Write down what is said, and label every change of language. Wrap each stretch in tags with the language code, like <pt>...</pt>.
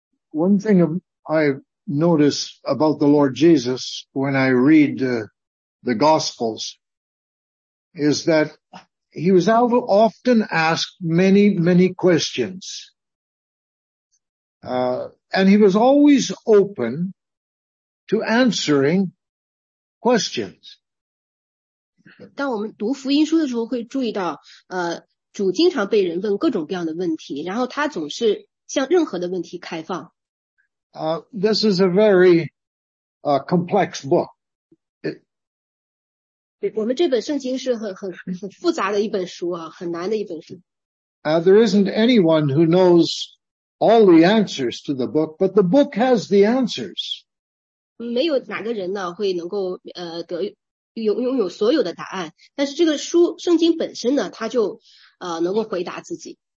<en>One thing I notice about the Lord Jesus when I read the Gospels is that he was often asked many, many questions. And he was always open to answering questions.</en> <zh>当我们读福音书的时候会注意到主经常被人问各种各样的问题，然后他总是向任何的问题开放。</zh> <en>This is a very complex book.</en> <zh>我们这本圣经是很复杂的一本书啊，很难的一本书。</zh> <en>There isn't anyone who knows all the answers to the book, but the book has the answers.</en> <zh>没有哪个人呢会能够拥有所有的答案，但是这个书圣经本身呢，它就能够回答自己。</zh>